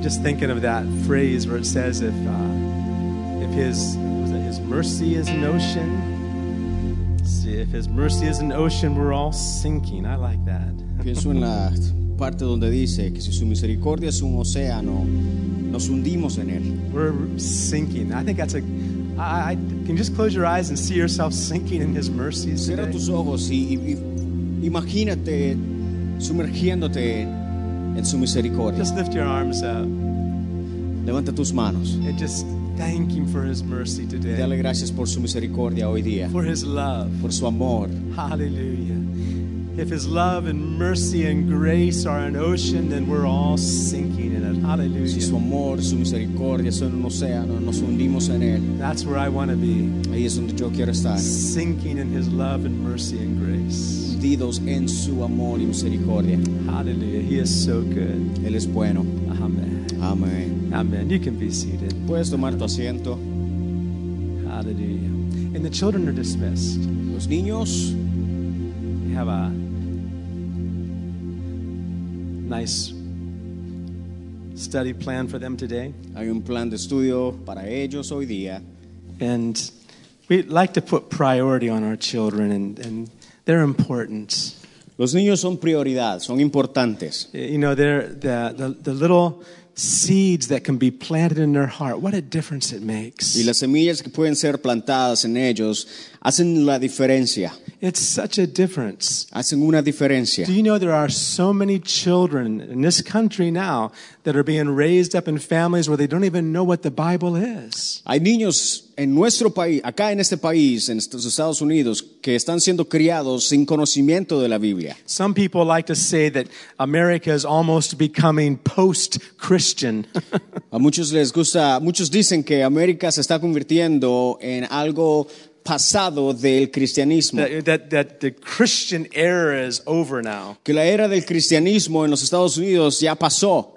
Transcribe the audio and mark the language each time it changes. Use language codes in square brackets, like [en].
[en] Just thinking of that phrase where it says if his mercy is an ocean. See, if his mercy is an ocean, we're all sinking. I like that. [es] Pienso en la parte donde dice que si su misericordia es un océano, nos hundimos en él. [en] We're sinking. I think that's a I can you just close your eyes and see yourself sinking in His mercy today. [es] Cierra tus ojos y imagínate sumergiéndote en su misericordia. [en] Just lift your arms up. [es] Levanta tus manos. [en] And just thank Him for His mercy today. [es] Dale gracias por su misericordia hoy día. [en] For His love. [es] Por su amor. [en] Hallelujah. If His love and mercy and grace are an ocean, then we're all sinking in it. Hallelujah. [es] Si su amor, su misericordia son un océano, nos hundimos en él. [en] That's where I want to be. [es] Ahí es donde yo quiero estar. [en] Sinking in His love and mercy and grace. [es] Hundidos en su amor y misericordia. [en] Hallelujah. He is so good. [es] Él es bueno. [en] Amen. Amen. Amen. You can be seated. [es] Puedes tomar tu asiento. [en] Hallelujah. And the children are dismissed. [es] los niños. [en] We have a nice study plan for them today. [es] Hay un plan de estudio para ellos hoy día. [en] And we like to put priority on our children, and they're important. [es] Los niños son prioridad, son importantes. [en] You know, they're the little seeds that can be planted in their heart. What a difference it makes. [es] Y las semillas que pueden ser plantadas en ellos hacen la diferencia. [en] It's such a difference. [es] Hacen una diferencia. [en] Do you know there are so many children in this country now that are being raised up in families where they don't even know what the Bible is? [es] Hay niños en nuestro país, acá en este país, en los Estados Unidos, que están siendo criados sin conocimiento de la Biblia. [en] Some people like to say that America is almost becoming post-Christian. [es] A muchos les gusta, muchos dicen que América se está convirtiendo en algo pasado del cristianismo. [en] That the Christian era is over now. [es] Que la era del cristianismo en los Estados Unidos ya pasó.